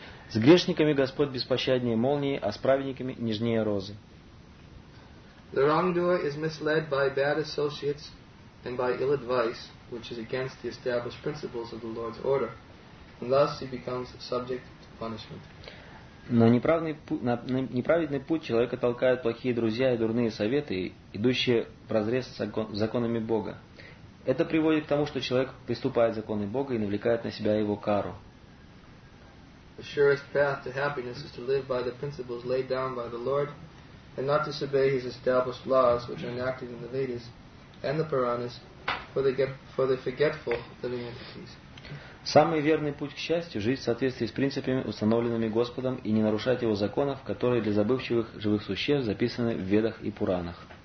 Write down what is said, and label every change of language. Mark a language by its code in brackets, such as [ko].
[ru] С грешниками Господь беспощаднее молнии, а с праведниками нежнее розы. [en] The wrongdoer is misled by bad associates and by ill advice, which is against the established principles of the Lord's order, and thus he becomes subject to punishment. [ru] На неправедный путь человека толкают плохие друзья и дурные советы, идущие вразрез с законами Бога. Это приводит к тому, что человек приступает к законам Бога и навлекает на себя его кару. [en] The surest path to happiness is to live by the principles laid down by the Lord, and not disobey his established laws, which are enacted in the Vedas and the Puranas, for the forgetful living entities. [ru] Самый верный путь к счастью — жить в соответствии с принципами, установленными Господом, и не нарушать его законов, которые для забывчивых живых существ записаны в Ведах и Пуранах.